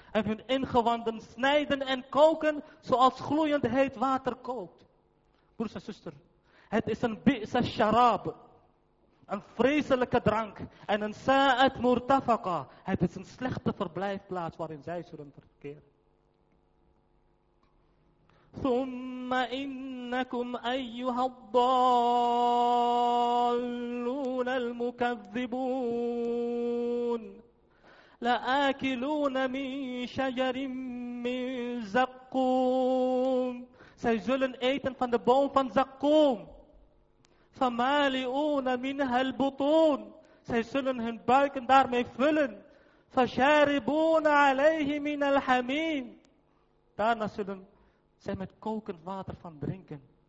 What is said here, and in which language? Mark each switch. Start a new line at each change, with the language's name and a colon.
Dutch: En hun ingewanden snijden en koken zoals gloeiend heet water kookt. Broers en zusters, het is een
Arabic: bi'sa sharab.
Dutch: Een vreselijke drank en een
Arabic: sa'at murtafaka.
Dutch: Het is een slechte verblijfplaats waarin zij zullen verkeren.
Arabic: ثم إنكم أيها الضالون المكذبون لآكلون من شجر من زقوم
Dutch: Zij zullen eten van de boom van Zakkum.
Arabic: فَمَالِئُونَ مِنْهَا الْبُطُونَ
Dutch: Zij zullen hun buiken daarmee vullen.
Arabic: فَشَارِبُونَ عَلَيْهِ مِنَ الْحَمِينَ
Dutch: Daarna zullen zij met kokend water van drinken.